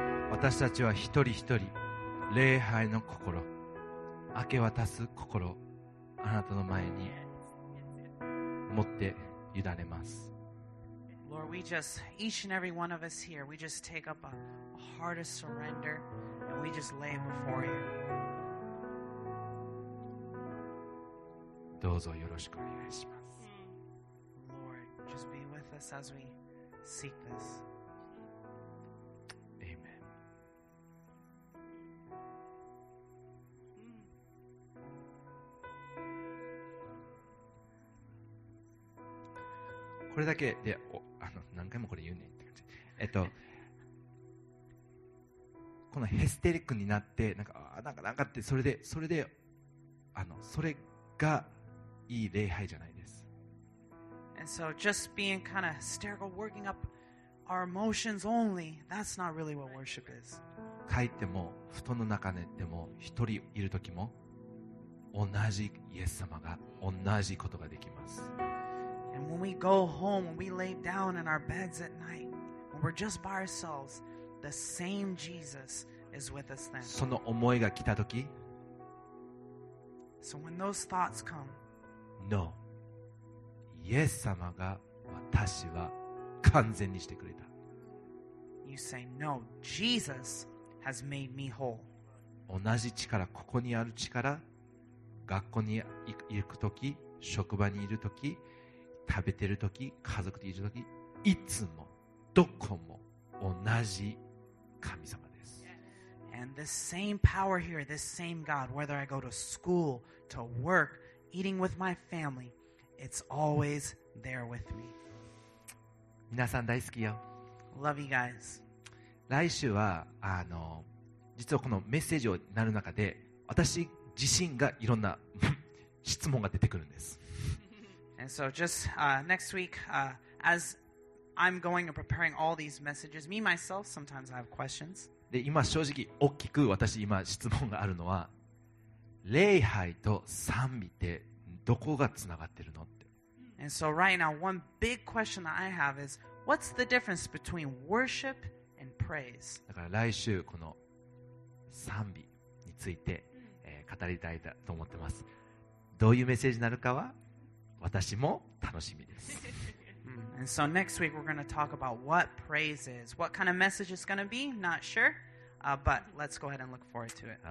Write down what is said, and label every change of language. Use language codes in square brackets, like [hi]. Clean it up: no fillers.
[ja] 私たちは一人一人礼拝の心、明け渡す心、あなたの前に持って委ねます。 [en] Lord, we just, each and every one of us here, we just take up a heart of surrender and we just lay it before you. [ja] どうぞよろしくお願いします。 [en] Lord, just be with us as we seek this. [ja] これだけで、何回もこれ言うねんって感じ。このヘステリックになって、なんかって、それで、それがいい礼拝じゃないです。 [en] And so just being kind of hysterical, working up our emotions only, that's not really what worship is. [ja] 帰っても、布団の中でも、一人いる時も、同じイエス様が、同じことができます。 [en] And when we go home, when we lay down in our beds at night, when we're just by ourselves, the same Jesus is with us then. [ja] その思いが来た時、 [en] So when those thoughts come, No. [ja] イエス様が私は完全にしてくれた。 [en] You say, No, Jesus has made me whole. [ja] 同じ力、ここにある力、学校に行く時、職場にいる時、食べてるとき、家族でいるとき、いつもどこも同じ神様です。 [en] And the same power here, this same God, whether I go to school, to work, eating with my family, it's always there with me. [ja] 皆さん大好きよ。 [en] Love you guys. [ja] 来週は実はこのメッセージをなる中で、私自身がいろんな質問が出てくるんです。 [en] And so just next week, as I'm going and preparing all these messages, me myself, sometimes I have questions. [ja] で、今正直大きく私今質問があるのは、礼拝と賛美ってどこがつながってるのって。 [en] And so right now, one big question that I have is, what's the difference between worship and praise? [ja] だから来週この賛美について、語りたいと思ってます。どういうメッセージになるかは私も楽しみです。 [en] And so next week we're going to talk about what praise is. What kind of message it's going to be? Not sure. But let's go ahead and look forward to it.